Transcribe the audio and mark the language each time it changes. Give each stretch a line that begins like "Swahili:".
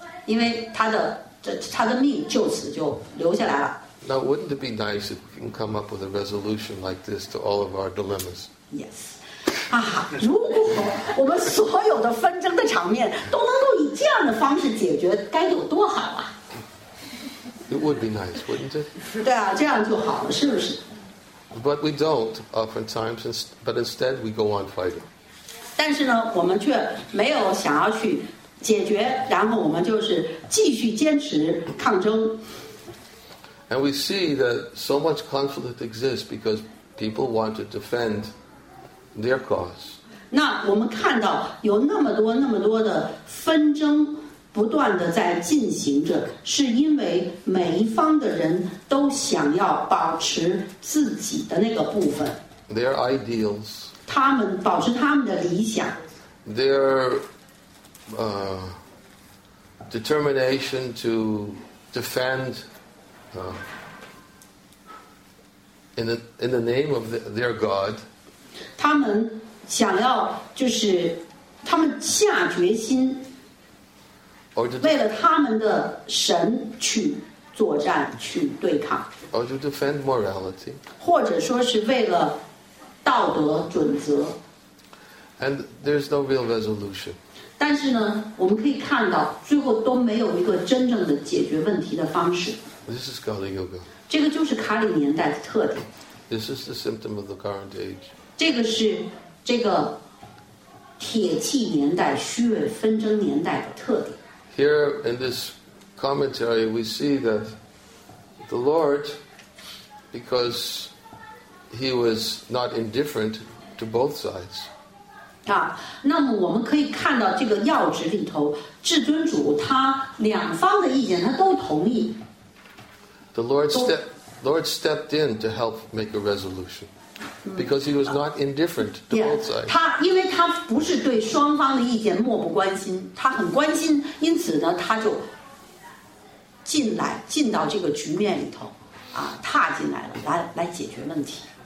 Chinese: 因为他的命就此就留下来了。
English: Now, wouldn't it be nice if we can come up with a resolution like this to all of our dilemmas? Yes.
Chinese: 如果我们所有的纷争的场面都能够以这样的方式解决，该有多好啊！
English: It would be nice, wouldn't it?
Chinese: 对啊，这样就好了，是不是？
English: But we don't oftentimes, but instead we go on fighting.
Chinese: 但是呢，我们却没有想要去解决，然后我们就是继续坚持抗争。
English: And we see that so much conflict exists because people want to defend their cause.
Chinese: 那我们看到有那么多那么多的纷争不断的在进行着，是因为每一方的人都想要保持自己的那个部分。
English: Their ideals.
Chinese: 他们保持他们的理想
English: their determination to defend in the name of their God
Chinese: 他们想要就是他们下决心为了他们的神去作战去对抗
English: or to defend morality
Chinese: 或者说是为了道德准则
English: and there's no real resolution
Chinese: 但是呢我们可以看到最后都没有一个真正的解决问题的方式
English: this is Kali Yuga
Chinese: 这个就是卡里年代的特点
English: this is the symptom of the current age
Chinese: 这个是这个铁器年代虚伪纷争年代的特点
English: here in this commentary we see that the Lord becausehe was not indifferent to both sides.
Chinese: 啊，那么我们可以看到这个要旨里头，至尊主他两方的意见他都同意。
English: The Lord stepped in to help make a resolution, because he was not indifferent to both sides.
Chinese: 他因为他不是对双方的意见漠不关心，他很关心，因此呢，他就进到这个局面里头，啊，踏进来了，来解决问题。